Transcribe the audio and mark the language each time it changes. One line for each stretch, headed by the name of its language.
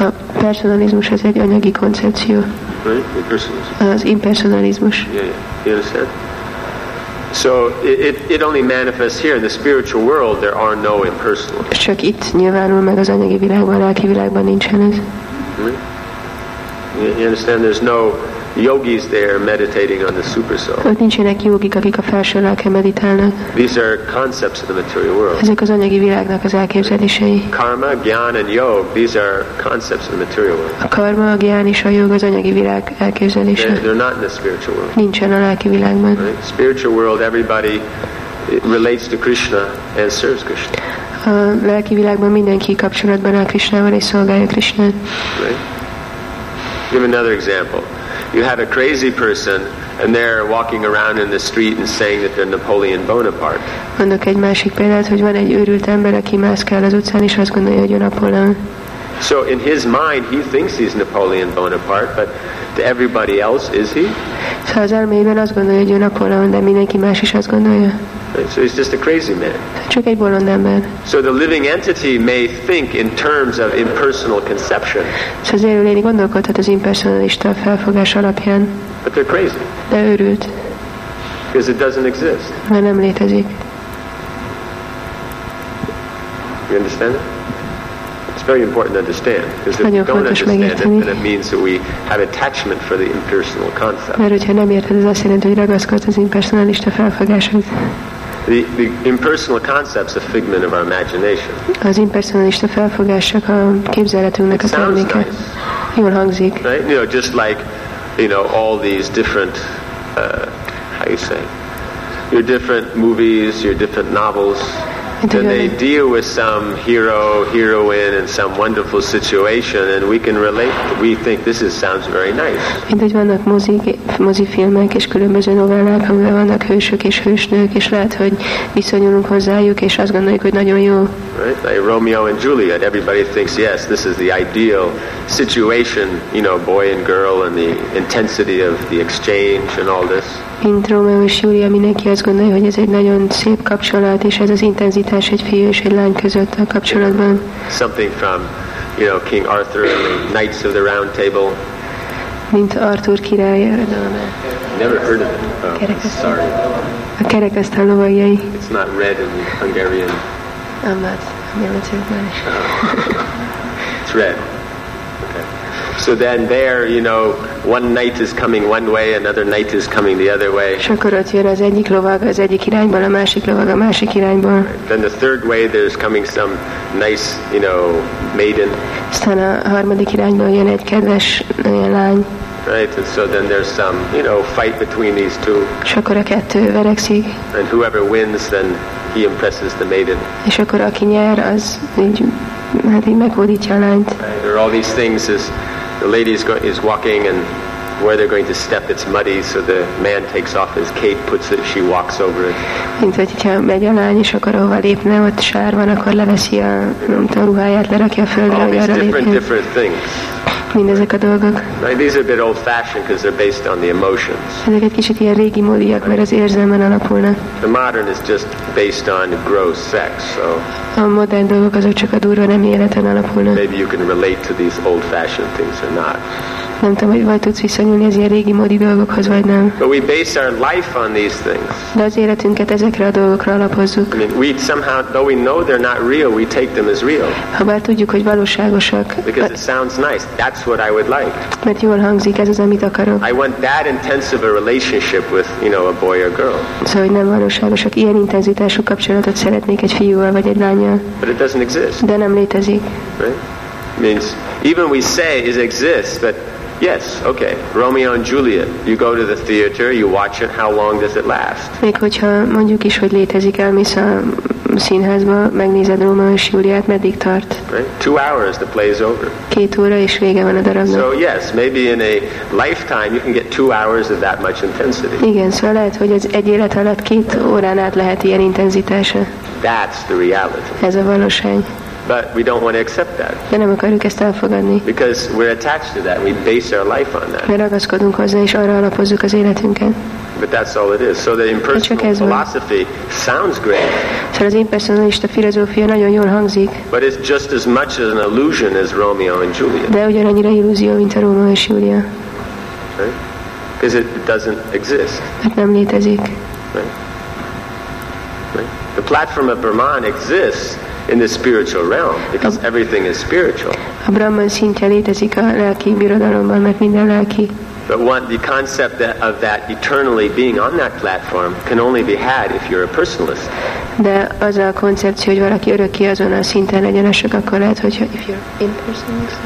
Hungarian: A personalizmus az egy anyagi koncepció.
English: Right? Impersonalism.
Hungarian: Az impersonalizmus.
English: Yeah. You understand? So it only manifests here in the spiritual world. There are no impersonalists.
Hungarian: Csak itt nyilvánul meg az anyagi világban, a lelki világban nincsen ez.
English: Right? You understand? There's no yogis there meditating on the super soul.
Hungarian: Ott nincsenek jogik, akik a felső lelken meditálnak.
English: These are concepts of the material world.
Hungarian: Ezek az anyagi világnak az elképzelései.
English: Karma, gyan and yog, these are concepts of the material world.
Hungarian: A karma, a gyan és a jog az anyagi világ elképzelése.
English: They're not in the spiritual world.
Hungarian: Nincsen a lelki világban.
English: Right? Spiritual world, everybody relates to Krishna and serves Krishna.
Hungarian: A lelki világban mindenki kapcsolatban áll Krishnával és szolgálja Krishnát.
English: Right? Give another example. You have a crazy person and they're walking around in the street and saying that they're Napoleon Bonaparte.
Hungarian: Mondok egy másik példát, hogy van egy őrült ember, aki mászkál az utcán és azt gondolja, hogy ő Napóleon.
English: So in his mind he thinks he's Napoleon Bonaparte, but to everybody else is he?
Hungarian: Szóval az elmében azt gondolja, hogy ő Napóleon, de mindenki más is azt gondolja.
English: So he's just a crazy man.
Hungarian: Csak egy bolond ember.
English: So the living entity may think in terms of impersonal conception.
Hungarian: Szóval az élőlény gondolkodhat az impersonalista felfogás alapján.
English: But they're crazy.
Hungarian: De őrült.
English: Because it doesn't exist.
Hungarian: Mert nem létezik.
English: You understand it? It's very important to understand, because if
Hungarian: nagyon
English: you don't understand
Hungarian: megérteni.
English: It, then it means that we have attachment for the impersonal concept.
Hungarian: Mert hogyha nem érted, az azt jelenti, hogy ragaszkodsz az impersonalista felfogáshoz.
English: The impersonal concept's a figment of our imagination.
Hungarian: Az impersonalista felfogás csak a képzeletünknek a terméke.
English: Nice.
Hungarian: Jól hangzik.
English: Right? You know, just like, you know, all these different, how you say, your different movies, your different novels. then they deal with some hero, heroine, and some wonderful situation, and we can relate. We think this is, sounds very nice.
Hungarian: Mint hogy vannak mozifilmek és különböző novellák, amiben vannak hősök és hősnők, és lehet, hogy viszonyulunk hozzájuk, és azt gondoljuk, hogy nagyon jó.
English: Right? Like Romeo and Juliet. Everybody thinks, yes, this is the ideal situation, you know, boy and girl, and the intensity of the exchange and all this.
Hungarian: Mint Romeo és Júlia, mindenki azt gondolja, hogy ez egy nagyon szép kapcsolat, és ez az intenzitás egy fiú és egy lány között a kapcsolatban.
English: Something from, you know, King Arthur and the Knights of the Round Table.
Hungarian: Mint Arthur király eredelme.
English: Never heard of it. Oh, sorry.
Hungarian: A kerekasztal lovagjai.
English: It's not red in Hungarian. I'm not. I'm It's red. So then there, you know, one knight is coming one way, another knight is coming the other way.
Hungarian: És akkor ott jön az egyik lovag az egyik irányból, a másik lovag a másik irányból.
English: Then the third way there's coming some nice, you know, maiden.
Hungarian: Aztán a harmadik irányból jön egy kedves lány.
English: Right, and so then there's some, you know, fight between these two.
Hungarian: És akkor a kettő verekszik.
English: And whoever wins, then he impresses the maiden.
Hungarian: És akkor aki nyer, az így, hát így meghódítja a lányt.
English: Right. There are all these things is the lady is walking, and where they're going to step, it's muddy. So the man takes off his cape, puts it. She walks over it.
Hungarian: Mint hogyha megy a lány, és akkor hova lépne, ott sár van, akkor leveszi a, nem tudom, ruháját, lerakja a földre, hogy arra lépjen.
English: Different things.
Hungarian: Mindezek a dolgok.
English: Right, these are a bit old-fashioned because they're based on the emotions.
Hungarian: Ezek egy kicsit ilyen régi módiak, mert az érzelmen alapulnak.
English: The modern is just based on gross sex, so.
Hungarian: A modern dolgok azok csak a durva nem életen alapulnak.
English: Maybe you can relate to these old-fashioned things or not.
Hungarian: Nem tudom, hogy vagy tudsz visszanyúlni az ilyen régi módi dolgokhoz, vagy nem.
English: But we base our life on these things.
Hungarian: De az életünket ezekre a dolgokra alapozzuk.
English: I mean, we somehow, though we know they're not real, we take them as real.
Hungarian: Habár tudjuk, hogy valóságosak.
English: Because it sounds nice. That's what I would like.
Hungarian: Mert jól hangzik, ez az, amit akarok.
English: I want that intensive a relationship with, you know, a boy or girl.
Hungarian: Szóval nem valóságosak. Ilyen intenzitású kapcsolatot szeretnék egy fiúval vagy egy lányjal.
English: But it doesn't exist.
Hungarian: De nem létezik.
English: Right? Means, even we say it exists, but yes, okay. Romeo and Juliet. You go to the theater, you watch it. How long does it last?
Hungarian: Még hogyha mondjuk is, hogy létezik, elmész a színházba, megnézed Romeo és Júliát, meddig tart?
English: Right. 2 hours, the play is over.
Hungarian: 2 óra és vége van a darabnak.
English: So yes, maybe in a lifetime you can get 2 hours of that much intensity.
Hungarian: Igen, szóval lehet, hogy az egy élet alatt 2 órán át lehet ilyen intenzitása.
English: That's the reality.
Hungarian: Ez a valóság.
English: But we don't want to accept that.
Hungarian: De nem akarjuk ezt elfogadni.
English: Because we're attached to that. We base our life on that.
Hungarian: Mi ragaszkodunk hozzá, és arra alapozzuk az életünket.
English: But that's all it is. So the impersonal philosophy sounds great.
Hungarian: Szóval az impersonalista filozófia nagyon jól hangzik.
English: But it's just as much an illusion as Romeo and Juliet.
Hungarian: De ugyanannyira illúzió, mint a Róma és Júlia.
English: Because it doesn't exist.
Hungarian: Mert nem létezik.
English: The platform of Brahman exists in the spiritual realm, because everything is spiritual.
Hungarian: A Brahman szintje létezik a lelki birodalomban, mert minden lelki.
English: But one, the concept that, of that eternally being on that platform can only be had if you're a personalist.
Hungarian: De az a koncepció, hogy valaki örökké azon a szinten legyen, az csak akkor lehet, hogyha
English: if you're impersonalist.